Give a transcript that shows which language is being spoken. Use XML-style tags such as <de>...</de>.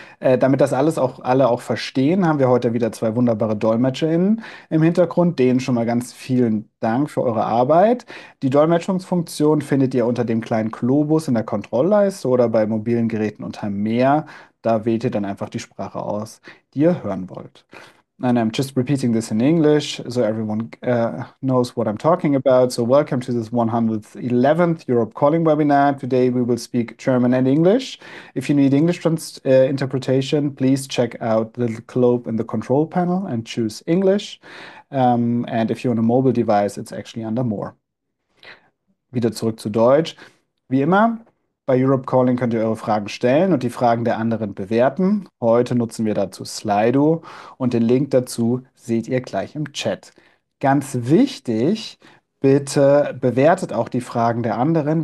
<de>Damit das alles auch alle auch verstehen, haben wir heute wieder zwei wunderbare DolmetscherInnen im Hintergrund. Denen schon mal ganz vielen Dank für eure Arbeit. Die Dolmetschungsfunktion findet ihr unter dem kleinen Globus in der Kontrollleiste oder bei mobilen Geräten unter Mehr. Da wählt ihr dann einfach die Sprache aus, die ihr hören wollt.</de> <en>And I'm just repeating this in English, so everyone knows what I'm talking about. So welcome to this 111th Europe Calling webinar. Today we will speak German and English. If you need English interpretation, please check out the globe in the control panel and choose English. And if you're on a mobile device, it's actually under More.</en> <de>Wieder zurück zu Deutsch. Wie immer, bei Europe Calling könnt ihr eure Fragen stellen und die Fragen der anderen bewerten. Heute nutzen wir dazu Slido und den Link dazu seht ihr gleich im Chat. Ganz wichtig, bitte bewertet auch die Fragen der anderen.</de>